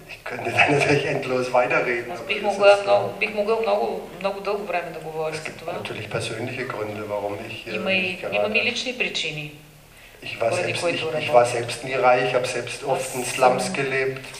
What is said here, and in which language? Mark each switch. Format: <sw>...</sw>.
<de>Ich könnte da natürlich endlos weiterreden.</de> <bg>Бих могъл много дълго време да говоря за това.</bg> <de>Natürlich persönliche Gründe, warum ich hier.</de> <bg>Имам и лични причини.</bg> <de>Ich war selbst nie reich, habe selbst oft in Slums gelebt.</de>